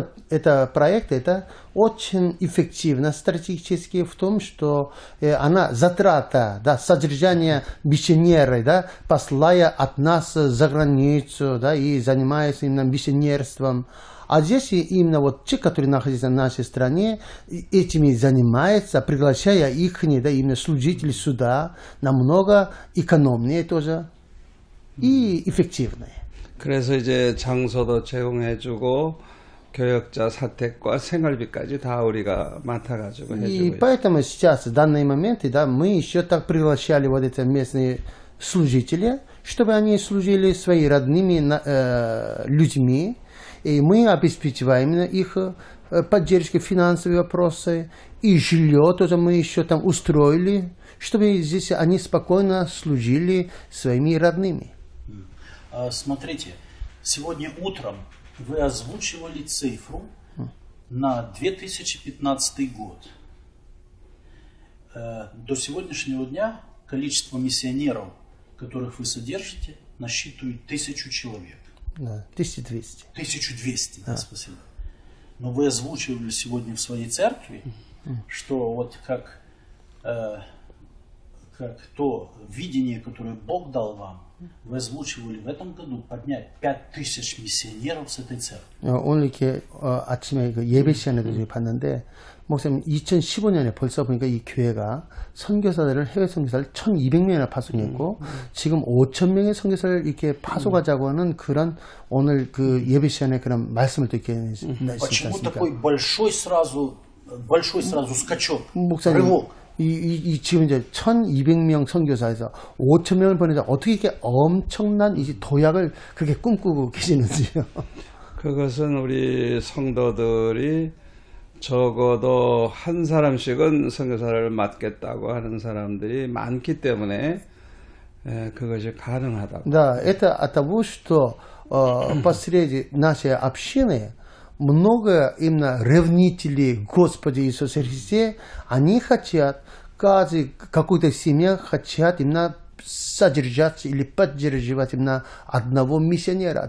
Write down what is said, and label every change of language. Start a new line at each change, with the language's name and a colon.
Russian: это проект это очень эффективно стратегически в том, что она затрата, да, содержание миссионеров, да, послая от нас за границу, да, и занимаясь именно миссионерством. А здесь именно вот те, которые находятся в нашей стране, этими занимаются, приглашая их, да, именно служителей сюда, намного экономнее тоже и эффективнее.
Korean: 그래서 이제 장소도 제공해주고 교역자 사택과 생활비까지 다 우리가 맡아가지고 해주고.
Russian: И поэтому сейчас, в данный момент, да, мы еще так приглашали вот эти местные служители, чтобы они служили своими родными людьми. И мы обеспечиваем их поддержкой, финансовые вопросы, и жилье тоже мы еще там устроили, чтобы здесь они спокойно служили своими родными. Смотрите, сегодня утром вы озвучивали цифру на 2015 год. До сегодняшнего дня количество миссионеров, которых вы содержите, насчитывает 1000 человек. 1200. 1200, да, спасибо. Но вы озвучивали сегодня в своей церкви, что вот как как то видение, которое Бог дал вам, вы озвучивали в этом году поднять 5000 миссионеров с этой церкви.
Korean: 오늘께 아침에 그 예배 시간에 그 봤는데 목사님 2015년에 벌써 보니까 이 교회가 선교사들을 해외 선교사를 1200명이나 파송했고 지금 5000명의 선교사를 이렇게 파송하자고 하는 그런 오늘 그 예배 시간에 그런 말씀을 또 이렇게 내셨습니다.
Russian: Почему такой большой сразу большой сразу скачок?
Korean: 목사님 이 지금 이제 1200명 선교사에서 5000명을 보내자 어떻게 이렇게 엄청난 이 도약을 그렇게 꿈꾸고 계시는지요? 그것은 우리 성도들이 적어도 한 사람씩은 선교사를 맡겠다고 하는 사람들이 많기 때문에 그것이 가능하다고.
Russian: 네, это от того, что посреди нашей общины много именно ревнителей Господи Иисусе Христе, они хотят, каждый какой-то семья хотят именно содержать или поддерживать именно одного миссионера.